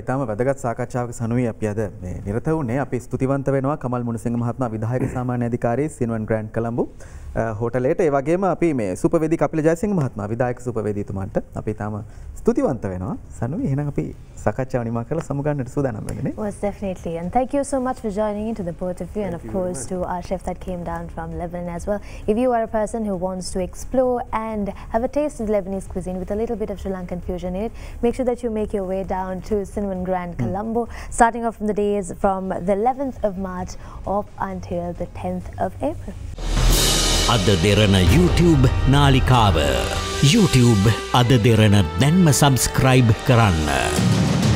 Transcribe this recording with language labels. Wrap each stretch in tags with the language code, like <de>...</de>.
<si>ඉතාම වැදගත් සාකච්ඡාවක සනුවේ අපි අද මේ නිරත වුණේ. අපි ස්තුතිවන්ත වෙනවා කමල් මුනිසිංහ මහත්මයා විධායක සාමාන්‍ය අධිකාරී සිනවන් ග්‍රෑන්ඩ් කොළඹ හෝටලයට. ඒ වගේම අපි මේ සුපවේදී කපිල ජයසිංහ මහත්මයා විධායක සුපවේදීතුමන්ට අපි ඉතාම ස්තුතිවන්ත වෙනවා සනුවේ. එහෙනම් අපි සාකච්ඡාව නිමා කරලා සමුගන්නට සූදානම් වෙන්නේ.</si> <en>Most definitely and thank you so much for joining into the both of you and of course to our chef that came down from Lebanon as well. If you are a person who wants to explore and have a taste of Lebanese cuisine with a little bit of Sri Lankan fusion in it, make sure that you make your way down to Sinwan Grand Colombo starting off from the days from the 11th of March up until the 10th of April.</en> <si>අද දෙරණ YouTube නාලිකාව YouTube අද දෙරණ දැන්ම subscribe කරන්න.</si>